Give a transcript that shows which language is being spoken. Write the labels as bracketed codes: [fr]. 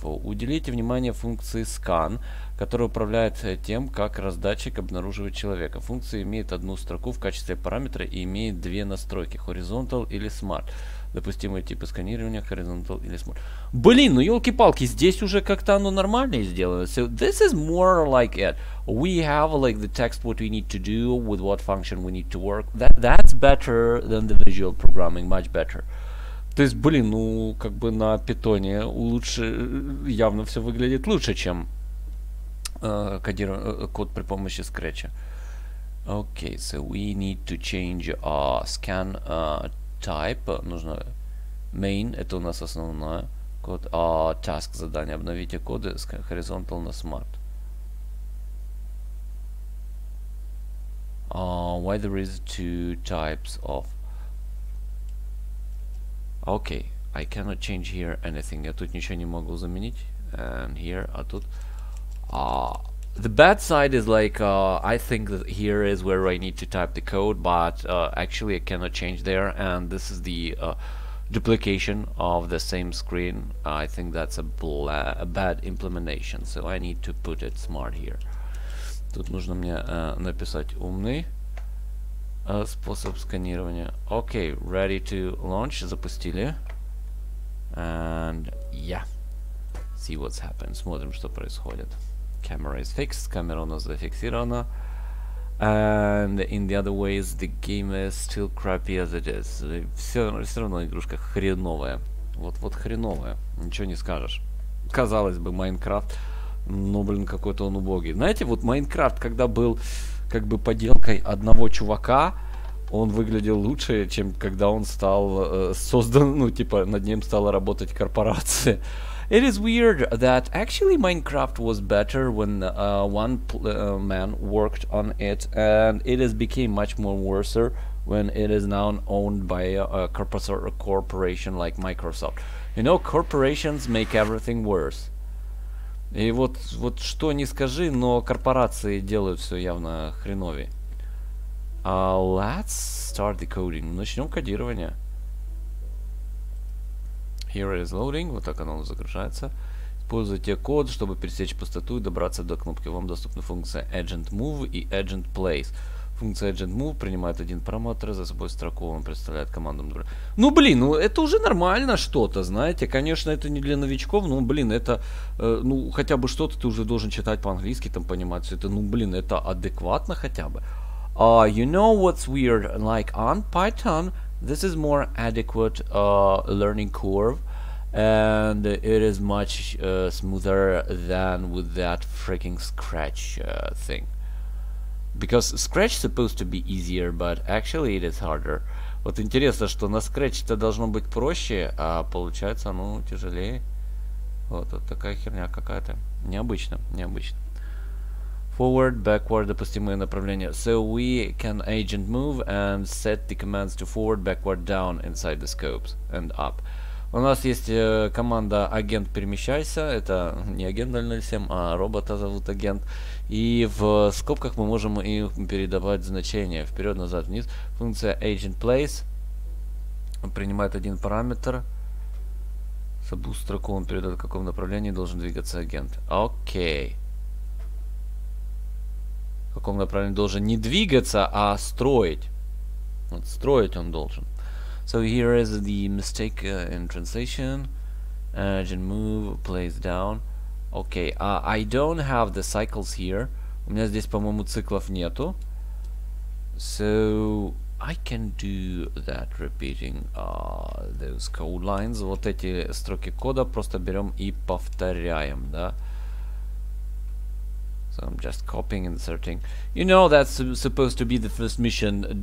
[ru] Уделите внимание функции scan, которая управляет тем, как раздатчик обнаруживает человека. Функция имеет одну строку в качестве параметра и имеет две настройки. Horizontal или Smart. Допустимые типы сканирования, horizontal или smart. Блин, ну елки-палки, здесь уже как-то оно нормальное сделано. [en] So this is more like it. We have like the text what we need to do with what function we need to work. That's better than the visual programming, much better. [ru] То есть, блин, ну как бы на питоне лучше, явно все выглядит лучше, чем код при помощи Scratch. [en] Okay, so we need to change scan type, нужно main, [ru] это у нас основной код, [en] task задание, [ru] обновите коды с horizontal на smart. [en] Why there is two types of... Okay, I cannot change here anything, [ru] я тут ничего не могу заменить, [en] and here, [ru] а тут... [en] The bad side is like, I think that here is where I need to type the code, but actually I cannot change there, and this is the duplication of the same screen. I think that's a bad implementation, so I need to put it smart here. [ru] Тут нужно мне написать умный способ сканирования. [en] Okay, ready to launch, [ru] запустили. [en] And yeah, see what's happened, [ru] смотрим, что происходит. [en] Camera is fixed, [ru] камера у нас зафиксирована. [en] And in the other ways, the game is still crappy as it is. [ru] Все равно игрушка хреновая. Вот хреновая, ничего не скажешь. Казалось бы, Майнкрафт, но, блин, какой-то он убогий. Знаете, вот Майнкрафт, когда был как бы поделкой одного чувака, он выглядел лучше, чем когда он стал создан, ну, типа, над ним стала работать корпорация. [en] It is weird that actually Minecraft was better when one man worked on it, and it has became much more worser when it is now owned by a corporation like Microsoft. You know, corporations make everything worse. [ru] И вот что ни скажи, но корпорации делают все явно хреновее. [en] Let's start the coding. [ru] Начнем кодирование. [en] Here is loading. [ru] Вот так оно загружается. Используйте код, чтобы пересечь пустоту и добраться до кнопки. Вам доступны функции agent move и agent place. Функция agent move принимает один параметр за собой строку. Он представляет команду. Ну блин, ну это уже нормально что-то, знаете. Конечно, это не для новичков, но блин, это ну хотя бы что-то ты уже должен читать по-английски, там понимать все это. Ну блин, это адекватно хотя бы. [en] You know what's weird? Like on Python. This is more adequate learning curve, and it is much smoother than with that freaking Scratch thing. Because Scratch supposed to be easier, but actually it is harder. [ru] Вот интересно, что на Scratch-то должно быть проще, а получается оно тяжелее. Вот, вот такая херня какая-то. Необычно, необычно. Forward, backward, допустимые направления. [en] So we can agent move and set the commands to forward, backward, down inside the scopes and up. [ru] У нас есть команда агент перемещайся. Это не агент 007, а робота зовут агент. И в скобках мы можем им передавать значения. Вперед, назад, вниз. Функция agent place принимает один параметр. Сабу строку он передает, в каком направлении должен двигаться агент. Окей. В каком направлении должен не двигаться, а строить. Вот строить он должен. [en] So here is the mistake in translation. Agent move, place down. Okay, I don't have the cycles here. [ru] У меня здесь, по-моему, циклов нету. [en] So I can do that repeating those code lines. [ru] Вот эти строки кода просто берем и повторяем, да? [en] So I'm just copying and inserting. You know that's supposed to be the first mission.